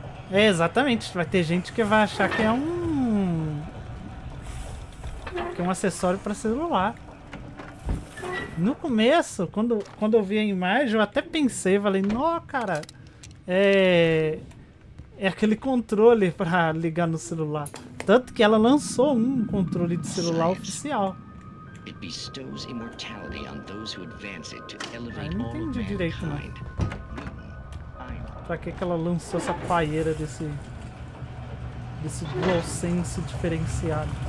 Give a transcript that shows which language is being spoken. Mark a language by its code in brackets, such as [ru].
[pt] É, exatamente, vai ter gente que vai achar que é um acessório para celular. No começo, quando eu vi a imagem, eu até pensei, falei, nó, cara, é aquele controle para ligar no celular. Tanto que ela lançou um controle de celular oficial. [en] It bestows immortality on those who advance it to elevate all of mankind. [pt] Pra que ela lançou essa paieira desse dual sense diferenciado?